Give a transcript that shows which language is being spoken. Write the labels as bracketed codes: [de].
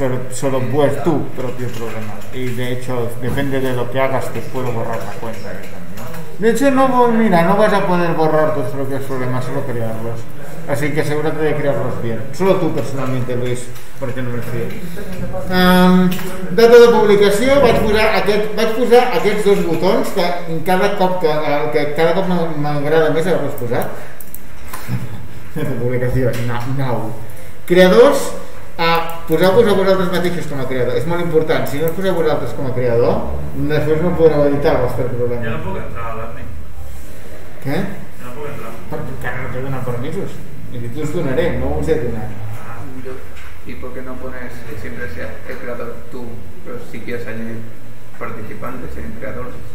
[es] Solo puedes tu propio problema. Y de hecho, depende de lo que hagas, te puedo borrar la cuenta. De hecho, no vas a poder borrar tus propios problemas, solo crearlos. Así que asegúrate de crearlos bien. Solo tú personalmente, Luis, porque no me fíes. [ca] Data de publicació, vaig posar aquests dos botons que cada cop m'agrada més haver-los posat. Data de publicació, now. Creadors. Poseu-vos a vosaltres mateixos com a creador, és molt important. Si no us poseu a vosaltres com a creador, després no podreu editar el vostre problema. Jo no puc entrar a l'Arni. Què? Jo no puc entrar. Perquè encara no t'he donat permisos. I t'ho donaré, no us he donat. Ah, [es] yo, ¿y por qué no pones que siempre sea el creador tú? Pero si quieres añadir participantes en creadores.